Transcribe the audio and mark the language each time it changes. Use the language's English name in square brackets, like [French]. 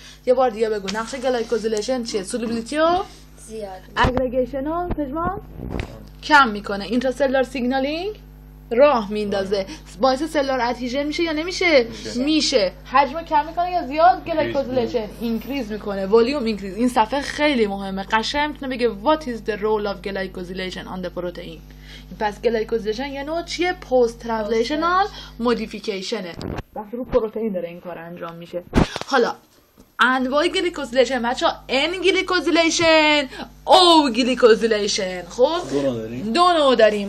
[Persian] یه بار دیگه بگو نقش گلایکوزیلیشن چیه؟ سولوبیلیتی رو زیاد، اگریگیشن رو پژمان کم میکنه، اینتراسلولار سیگنالینگ راه میندازه، باعث سلولار ادهیژن میشه یا نمیشه؟ میشه. حجم کم میکنه یا زیاد؟ گلایکوزیلیشن اینکریز میکنه، ولیوم اینکریز. این صفحه خیلی مهمه، قشنگ میتونه بگه [English] what is the role of glycosylation on the protein. [Persian] پس گلایکوزیلیشن یه نوع چیه؟ پست ترانسلیشنال مودیفیکیشنه، بس رو پروتئین داره این کار انجام میشه. حالا انواع گلیکوزیلیشن بچه ها، ان گلیکوزیلیشن، او گلیکوزیلیشن، خب دو نوع داریم،